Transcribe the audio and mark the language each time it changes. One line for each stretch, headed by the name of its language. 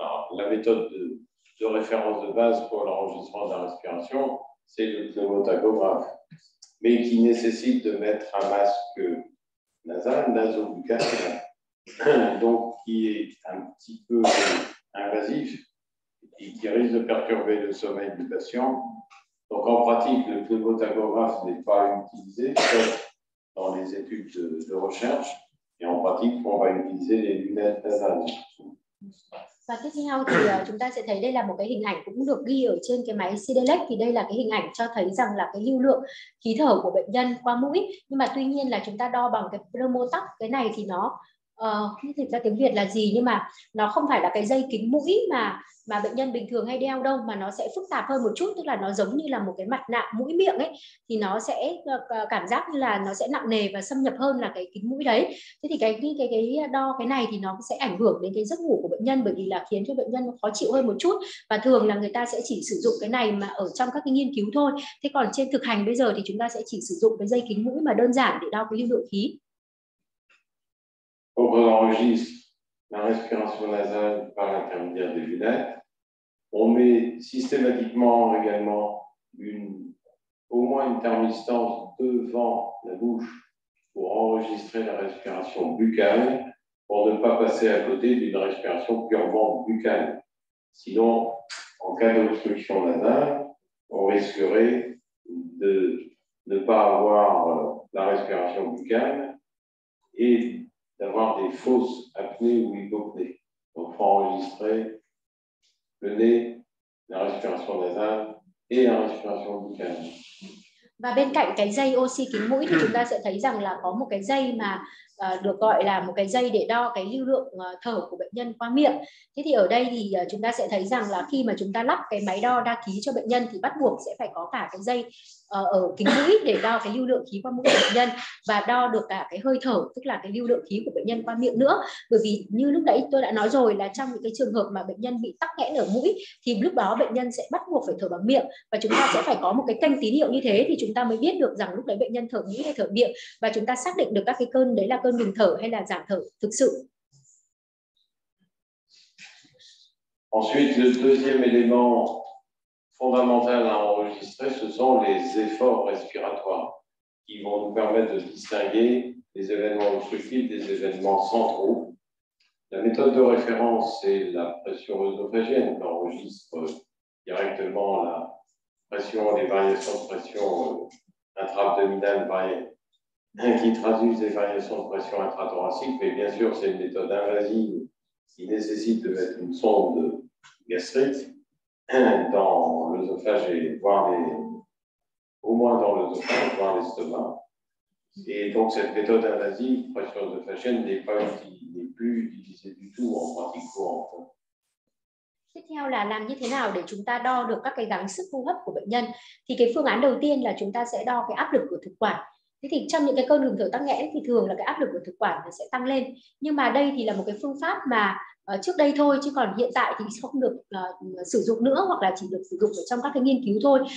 French: Alors, la méthode de référence de base pour l'enregistrement de la respiration, c'est le pneumotachographe, mais qui nécessite de mettre un masque nasal, naso-buccal, donc qui est un petit peu invasif et qui risque de perturber le sommeil du patient. Donc en pratique, le pneumotachographe n'est pas utilisé dans les études de recherche et en pratique, on va utiliser les lunettes nasales.
Vietnamese: Và tiếp theo thì chúng ta sẽ thấy đây là một cái hình ảnh cũng được ghi ở trên cái máy Sidelec. Thì đây là cái hình ảnh cho thấy rằng là cái lưu lượng khí thở của bệnh nhân qua mũi, nhưng mà tuy nhiên là chúng ta đo bằng cái pneumotach, cái này thì nó thì ra tiếng Việt là gì, nhưng mà nó không phải là cái dây kính mũi mà bệnh nhân bình thường hay đeo đâu, mà nó sẽ phức tạp hơn một chút, tức là nó giống như là một cái mặt nạ mũi miệng ấy, thì nó sẽ cảm giác như là nó sẽ nặng nề và xâm nhập hơn là cái kính mũi đấy. Thế thì cái đo cái này thì nó sẽ ảnh hưởng đến cái giấc ngủ của bệnh nhân, bởi vì là khiến cho bệnh nhân khó chịu hơn một chút, và thường là người ta sẽ chỉ sử dụng cái này mà ở trong các cái nghiên cứu thôi. Thế còn trên thực hành bây giờ thì chúng ta sẽ chỉ sử dụng cái dây kính mũi mà đơn giản để đo cái lưu lượng khí.
French: Donc on enregistre la respiration nasale par l'intermédiaire des lunettes. On met systématiquement également au moins une thermistance devant la bouche pour enregistrer la respiration buccale, pour ne pas passer à côté d'une respiration purement buccale. Sinon, en cas d'obstruction nasale, on risquerait de ne pas avoir la respiration buccale et d'avoir des fausses apnées ou hypopnées. Donc, il faut enregistrer le nez, la respiration nasale et la respiration buccale.
Vietnamese: Và bên cạnh cái dây oxy kính mũi thì chúng ta sẽ thấy rằng là có một cái dây mà được gọi là một cái dây để đo cái lưu lượng thở của bệnh nhân qua miệng. Thế thì ở đây thì chúng ta sẽ thấy rằng là khi mà chúng ta lắp cái máy đo đa ký cho bệnh nhân thì bắt buộc sẽ phải có cả cái dây ở kính mũi để đo cái lưu lượng khí qua mũi của bệnh nhân và đo được cả cái hơi thở, tức là cái lưu lượng khí của bệnh nhân qua miệng nữa. Bởi vì như lúc nãy tôi đã nói rồi là trong những cái trường hợp mà bệnh nhân bị tắc nghẽn ở mũi thì lúc đó bệnh nhân sẽ bắt buộc phải thở bằng miệng, và chúng ta sẽ phải có một cái kênh tín hiệu như thế thì chúng ta mới biết được rằng lúc đấy bệnh nhân thở mũi hay thở miệng, và chúng ta xác định được các cái cơn đấy là cơn ngừng thở hay là giảm thở thực sự.
French: Ensuite, le deuxième élément fondamental à enregistrer, ce sont les efforts respiratoires qui vont nous permettre de distinguer les événements obstructifs des événements centraux. La méthode de référence, c'est la pression œsophagienne qui enregistre directement la pression, les variations de pression intra-abdominale qui traduisent les variations de pression intra-thoracique, mais bien sûr, c'est une méthode invasive qui nécessite de mettre une sonde gastrique dans l'œsophage et voir les, au moins dans l'œsophage, voir l'estomac. Et donc cette méthode invasive, pression œsophagienne, n'est plus utilisée du tout en pratique courante.
Vietnamese: Tiếp theo là làm như thế nào để chúng ta đo được các cái gắng sức hô hấp của bệnh nhân. Thì cái phương án đầu tiên là chúng ta sẽ đo cái áp lực của thực quản. Thế thì trong những cái cơn ngừng thở tắc nghẽn thì thường là cái áp lực của thực quản nó sẽ tăng lên. Nhưng mà đây thì là một cái phương pháp mà trước đây thôi, chứ còn hiện tại thì không được sử dụng nữa, hoặc là chỉ được sử dụng ở trong các cái nghiên cứu thôi.